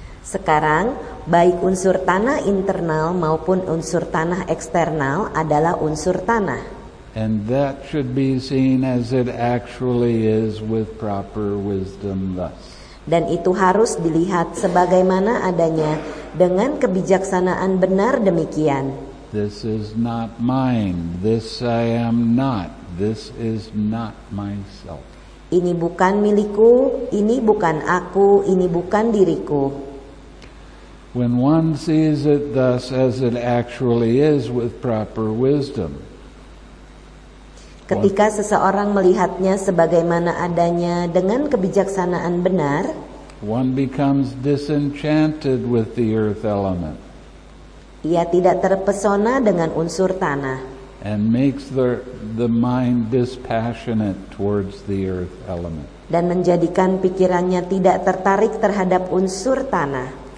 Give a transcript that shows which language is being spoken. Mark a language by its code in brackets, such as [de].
[id] Sekarang, baik unsur tanah internal maupun unsur tanah eksternal adalah unsur tanah. [en] And that should be seen as it actually is with proper wisdom thus. [id] Dan itu harus dilihat sebagaimana adanya dengan kebijaksanaan benar demikian. [en] This is not mine. This I am not. This is not myself. [id] Ini bukan milikku. Ini bukan aku. Ini bukan diriku. [en] When one sees it thus as it actually is with proper wisdom. [id] Ketika seseorang melihatnya sebagaimana adanya dengan kebijaksanaan benar, [en] one becomes disenchanted with the earth element. [id] Ia tidak terpesona dengan unsur tanah. [en] And makes the mind dispassionate towards the earth element. [id] Dan menjadikan pikirannya tidak tertarik terhadap unsur tanah.